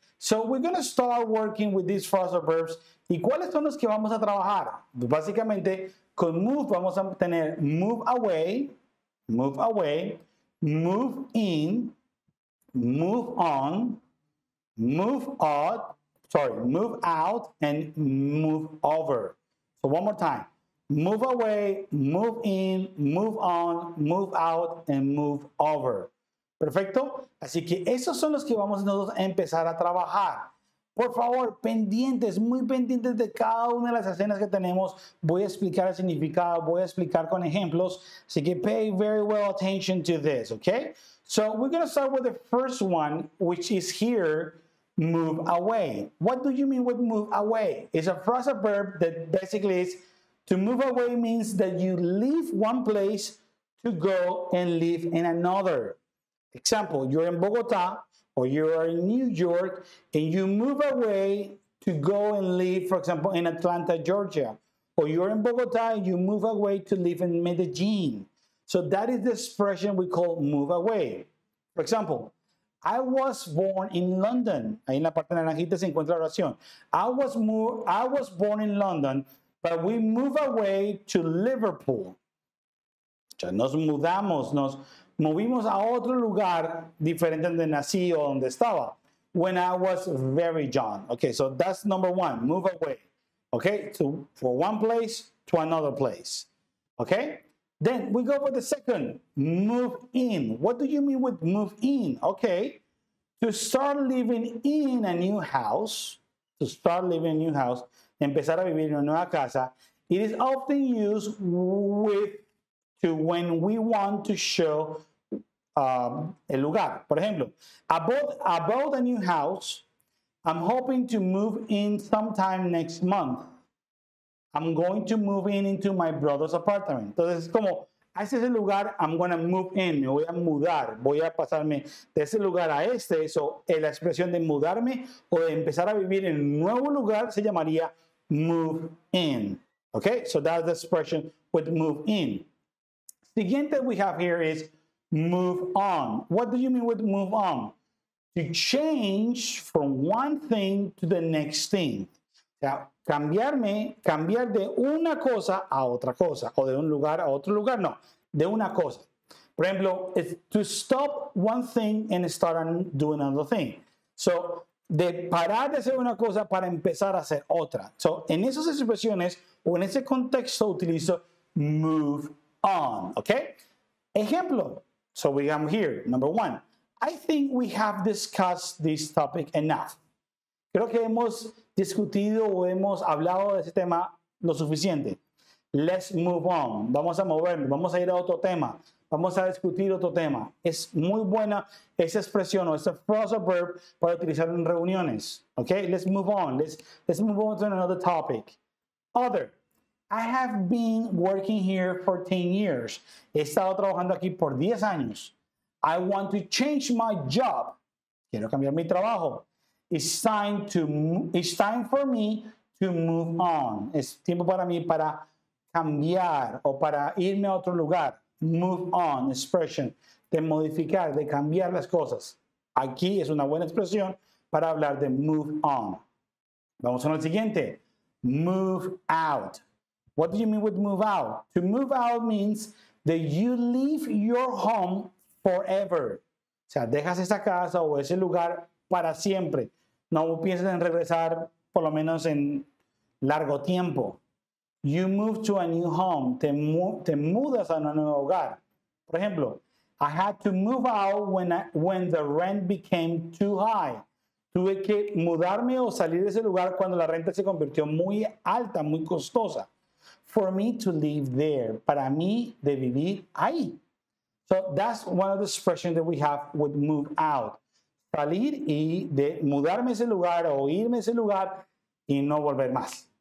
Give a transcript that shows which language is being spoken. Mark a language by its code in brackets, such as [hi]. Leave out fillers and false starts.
[en] So we're going to start working with these phrasal verbs. [es] ¿Y cuáles son los que vamos a trabajar? Básicamente, con move vamos a tener move away, move in, move on, move out, [en] sorry, move out and move over. So one more time. Move away, move in, move on, move out and move over. Perfecto. [es] Así que esos son los que vamos nosotros a empezar a trabajar. Por favor, pendientes, muy pendientes de cada una de las escenas que tenemos. Voy a explicar el significado, voy a explicar con ejemplos. Así que [en] pay very well attention to this, okay? So we're going to start with the first one, which is here. Move away. What do you mean with move away? It's a phrasal verb that basically is to move away means that you leave one place to go and live in another. Example, you're in Bogota or you are in New York and you move away to go and live, for example, in Atlanta, Georgia. Or you're in Bogota and you move away to live in Medellin. So that is the expression we call move away. For example, I was born in London. [es] Ahí en la parte naranjita se encuentra la oración. [en] I was born in London, but we move away to Liverpool. [es] Ya nos mudamos, nos movimos a otro lugar diferente donde nací o donde estaba. [en] When I was very young. Okay, so that's number one, move away. Okay, so for one place to another place. Okay? Then we go for the second, move in. What do you mean with move in? Okay, to start living in a new house, to start living in a new house, [es] empezar a vivir en una nueva casa, [en] it is often used with to when we want to show [es] el lugar. Por ejemplo, [en] I bought a new house. I'm hoping to move in sometime next month. I'm going to move in into my brother's apartment. [es] Entonces, es como, a ese lugar, [en] I'm going to move in. [es] Me voy a mudar. Voy a pasarme de ese lugar a este. Eso es la expresión de mudarme o de empezar a vivir en un nuevo lugar. Se llamaría move in. Okay? So that's the expression with move in. [en] Siguiente we have here is move on. What do you mean with move on? To change from one thing to the next thing. Yeah. [es] Cambiar de una cosa a otra cosa, o de un lugar a otro lugar, no, de una cosa. Por ejemplo, [en] it's to stop one thing and start doing another thing. [es] So, de parar de hacer una cosa para empezar a hacer otra. So, en esas expresiones, o en ese contexto, utilizo move on, okay? Ejemplo, [en] so we come here, number one. I think we have discussed this topic enough. [es] Creo que hemos discutido o hemos hablado de ese tema lo suficiente. [en] Let's move on. [es] Vamos a movernos. Vamos a ir a otro tema. Vamos a discutir otro tema. Es muy buena esa expresión o ese phrasal verb para utilizar en reuniones. [en] Okay, let's move on. Let's move on to another topic. Other. I have been working here for 10 years. [es] He estado trabajando aquí por 10 años. [en] I want to change my job. [es] Quiero cambiar mi trabajo. [en] It's time for me to move on. [es] Es tiempo para mí para cambiar o para irme a otro lugar. [en] Move on, expression. [es] De modificar, de cambiar las cosas. Aquí es una buena expresión para hablar de move on. Vamos con el siguiente. [en] Move out. What do you mean with move out? To move out means that you leave your home forever. [es] O sea, dejas esa casa o ese lugar para siempre. No pienses en regresar por lo menos en largo tiempo. [en] You move to a new home. [es] Te mudas a un nuevo hogar. Por ejemplo, [en] I had to move out when the rent became too high. [es] Tuve que mudarme o salir de ese lugar cuando la renta se convirtió muy alta, muy costosa. [en] For me to live there. [es] Para mí de vivir ahí. [en] So that's one of the expressions that we have with move out. [es] Salir y de mudarme a ese lugar o irme a ese lugar y no volver más.